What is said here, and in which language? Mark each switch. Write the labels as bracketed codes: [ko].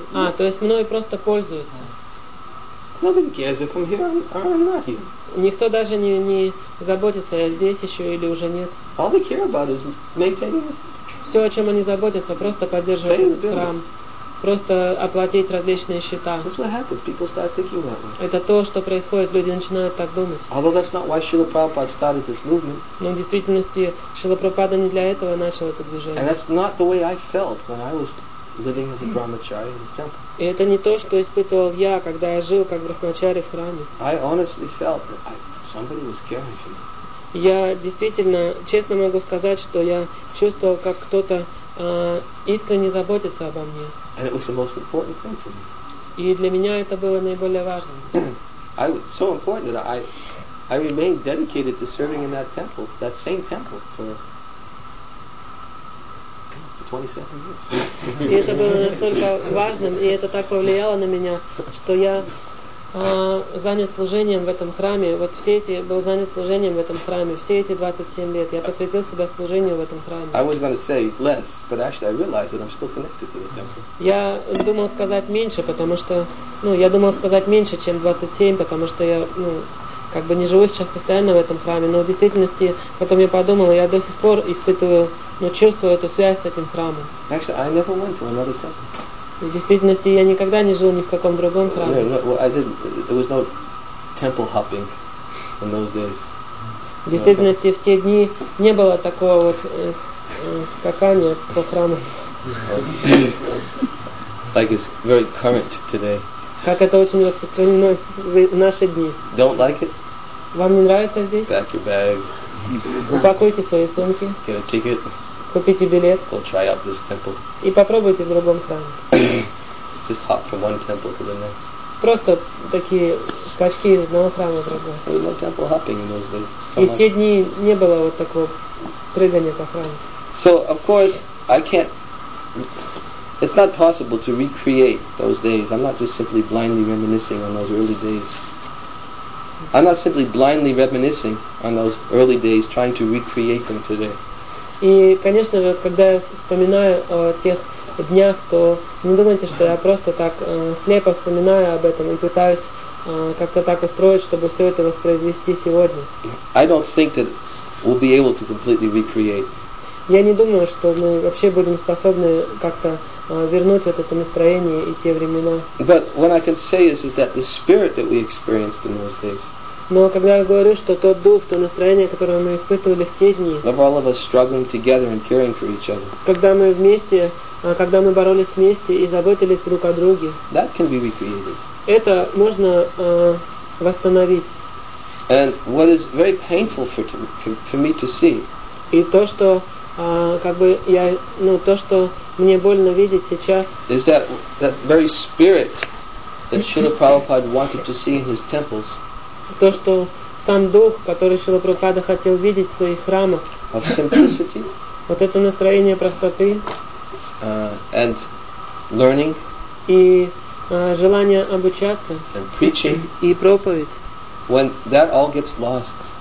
[ru] Ah, то есть мной просто пользуются. [en] Nobody cares if I'm here or I'm not here. [ru] Никто даже не заботится, я здесь еще или уже нет. [en] All they care about is maintaining it. [ru] Все, о чем они заботятся, просто поддерживать храм. Просто оплатить различные счета. [en] That's what happens. People start thinking that way. [ru] Это то, что происходит. Люди начинают так думать. [en] Although that's not why Srila Prabhupada started this movement. [ru] Но в действительности Шрила Прабхупада не для этого начал это движение. [en] And that's not the way I felt when I was living as a brahmachari in the temple. [ru] И это не то, что испытывал я, когда я жил как брахмачари в храме. [en] I honestly felt that somebody was caring for me. [ru] Я действительно, честно могу сказать, что я чувствовал, как кто-то искренне заботится обо мне. [en] And it was the most important thing for me. [ru] И для меня это было наиболее важным. [en] I was so important that I remained dedicated to serving in that temple, that same temple for 27 years. [ru] И это было настолько важным, и это так повлияло на меня, что я занят служением в этом храме. Вот все эти был занят служением в этом храме. Все эти 27 лет я посвятил себя служению в этом храме. [en] I was going to say less, but actually I realized that I'm still connected to the temple. [ru] Я думал сказать меньше, потому что, я думал сказать меньше, чем 27, потому что я, как бы не живу сейчас постоянно в этом храме. Но в действительности потом я подумал, я до сих пор испытываю, чувствую эту связь с этим храмом. [en] Actually, I never went to another temple. [ru] В действительности я никогда не жил ни в каком другом храме. [en] No, well, there was no temple hopping in those days. [ru] В действительности в те дни не было такого вот скакания по храму. [en] Like it's very current today. [ru] Как это очень распространено в наши дни. [en] Don't like it? [ru] Вам не нравится здесь? [en] Pack your bags. [ru] Упакуйте свои сумки. [en] Get a ticket. [ru] Купите билет. [en] Go try out this temple. [ru] И попробуйте в другом храме. [en] Just hop from one temple to the next. [ru] Просто такие скачки из одного храма в другой. [en] No temple hopping in those days. [ru] И в те дни не было вот такого прыгания по храму. [en] So of course I can't. It's not possible to recreate those days. I'm not just simply blindly reminiscing on those early days. I'm not simply blindly reminiscing on those early days, trying to recreate them today. [ru] И, конечно же, когда я вспоминаю о тех днях, то не думайте, что я просто так слепо вспоминаю об этом и пытаюсь как-то так устроить, чтобы все это воспроизвести сегодня. [en] I don't think that we'll be able to completely recreate. [ru] Я не думаю, что мы вообще будем способны как-то вернуть вот это настроение и те времена. [en] But what I can say is that the spirit that we experienced in those days. [ru] Но когда я говорю, что тот дух, то настроение, которое мы испытывали в те дни. [en] Of all of us struggling together and caring for each other. [ru] Когда мы боролись вместе и заботились друг о друге. [en] That can be recreated. [ru] Это можно восстановить. [en] And what is very painful for me to see. [ru] И то, что то, что мне больно видеть сейчас. [en] Is that very spirit that Srila Prabhupada wanted to see in his temples? [ru] То, что сам дух, который Шрила Прабхупада хотел видеть в своих храмах. [en] Of simplicity. [ru] Вот это настроение простоты. [en] And learning. [ru] И желание обучаться. [en] And preaching. [ru] И проповедь. [en] When that all gets lost.